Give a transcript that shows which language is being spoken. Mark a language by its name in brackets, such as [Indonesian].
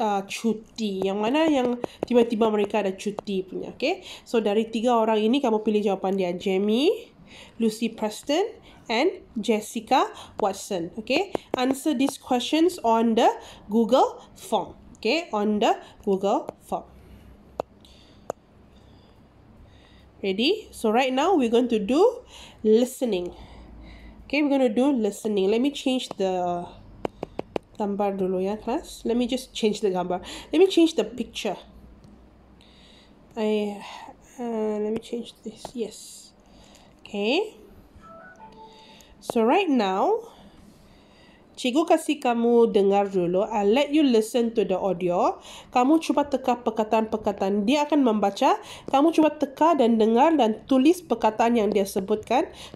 [Malay] cuti, yang mana yang tiba-tiba mereka ada cuti punya, okay? So dari tiga orang ini kamu pilih jawapan dia, Jamie, Lucy Preston, and Jessica Watson, okay? [English] Answer these questions on the Google form, okay? On the Google form. Ready? So right now we're going to do listening. Okay, we're going to do listening. Let me change the [Malay] gambar dulu [English] ya, class. Let me just change the gambar. Let me change the picture. Let me change this. Yes. Okay. So right now, [Malay] cikgu kasih kamu dengar dulu. [English] I'll let you listen to the audio. [Malay] Kamu cuba teka perkataan-perkataan. Dia akan membaca. Kamu cuba teka dan dengar dan tulis perkataan yang dia sebutkan.